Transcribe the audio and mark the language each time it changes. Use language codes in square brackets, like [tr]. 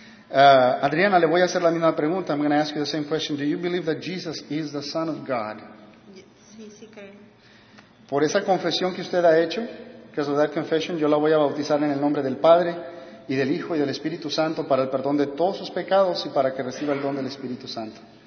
[es] Adriana, le voy a hacer la misma pregunta. [en] I'm going to ask you the same question. Do you believe that Jesus is the Son of God? [es] Sí, sí, creo. Por esa confesión que usted ha hecho, [en] because of that confession, [es] yo la voy a bautizar en el nombre del Padre, y del Hijo, y del Espíritu Santo, para el perdón de todos sus pecados, y para que reciba el don del Espíritu Santo.